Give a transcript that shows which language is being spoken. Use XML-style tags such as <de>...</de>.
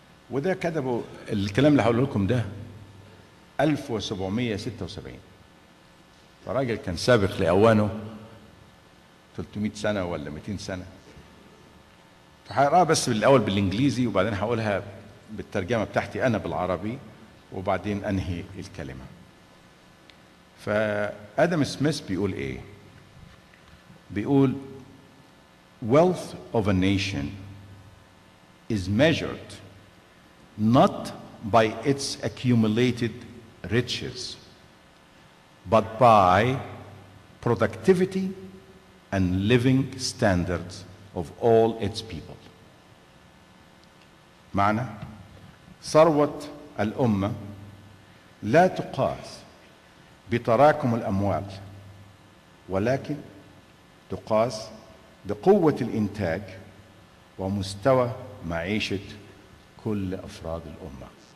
<ar>وده كتبه الكلام اللي هقوله لكم ده 1776. فراجل كان سابق لأوانه 300 سنة ولا 200 سنة. فهقراها بس بالأول بالإنجليزي وبعدين هقولها بالترجمة بتاعتي أنا بالعربي وبعدين أنهي الكلمة. فأدم سميث بيقول إيه؟ بيقول</ar> <en>wealth of a nation is measured not by its accumulated riches but by productivity and living standards of all its people.</en> <ar>معنى ثروة الأمة لا تقاس بتراكم الأموال ولكن تقاس بقوة الإنتاج ومستوى معيشة كل أفراد الأمة.</ar>